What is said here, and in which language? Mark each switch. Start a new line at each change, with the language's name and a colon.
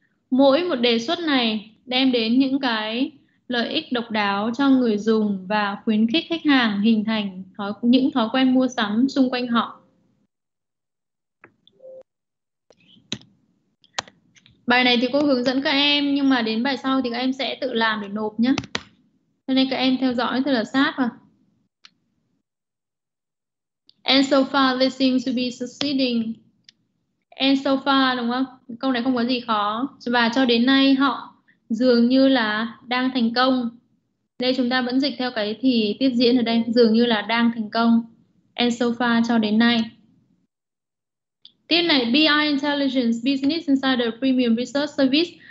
Vietnamese: Mỗi một đề xuất này đem đến những cái lợi ích độc đáo cho người dùng và khuyến khích khách hàng hình thành những thói quen mua sắm xung quanh họ. Bài này thì cô hướng dẫn các em, nhưng mà đến bài sau thì các em sẽ tự làm để nộp nhé. Cho nên các em theo dõi thật là sát mà.
English: And so far they seem to be succeeding. And so far,
Vietnamese: đúng không? Câu này không có gì khó. Và cho đến nay họ dường như là đang thành công. Đây chúng ta vẫn dịch theo cái thì tiếp diễn ở đây, dường như là đang thành công.
English: And so far,
Vietnamese: cho đến nay. Tiếp này, BI Intelligence, Business Insider Premium Research Service.